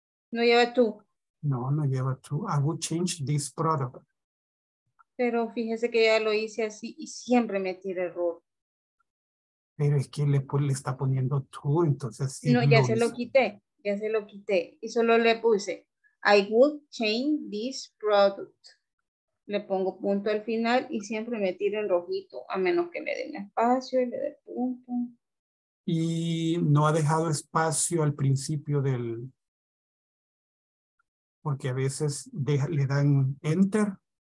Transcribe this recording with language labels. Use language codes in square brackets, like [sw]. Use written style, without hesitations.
[es] No lleva tú. No, no lleva tú. [en] I would change this product. [es] Pero fíjese que ya lo hice así y siempre me tira error. Pero es que le, pues, le está poniendo tú, entonces. Sí, no, ya lo se hizo. Lo quité, ya se lo quité. Y solo le puse, [en] I would change this product. [es] Le pongo punto al final y siempre me tira en rojito, a menos que me den espacio y le dé punto. Y no ha dejado espacio al principio del. Porque a veces deja, le dan enter.